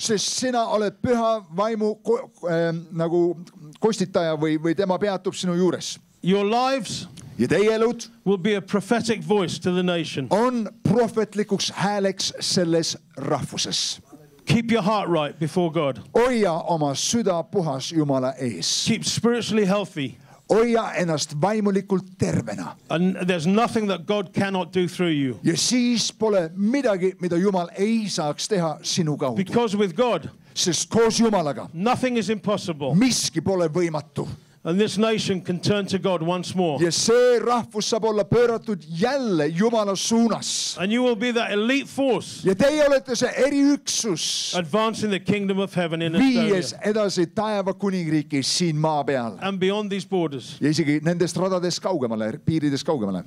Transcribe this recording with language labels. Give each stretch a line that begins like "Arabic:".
Estonian: Sest sina oled püha vaimu nagu kostitaja või tema peatub sinu juures.
English: Your lives.
Estonian: Ja teie elud
English: will be a prophetic voice to the nation.
Estonian: On prohvetlikuks hääleks selles rahvuses.
English: Keep your heart right before God.
Estonian: Hoia oma süda puhas Jumala ees.
English: Keep spiritually healthy.
Estonian: Hoia ennast vaimulikult tervena.
English: And there's nothing that God cannot do through you.
Estonian: Ja siis pole midagi, mida Jumal ei saaks teha sinu kaudu.
English: Because with God,
Estonian: sest koos Jumalaga,
English: nothing is impossible.
Estonian: Miski pole võimatu.
English: And this nation can turn to God once more.
Estonian: Ja see rahvus saab olla pööratud jälle Jumala suunas.
English: And you will be that elite force.
Estonian: Ja teie olete see eri üksus.
English: Advancing the kingdom of heaven in Estonia.
Estonian: Viies edasi taeva kuningriiki siin maa peal.
English: And beyond these borders.
Estonian: Ja isegi nendest radades kaugemale, piirides kaugemale.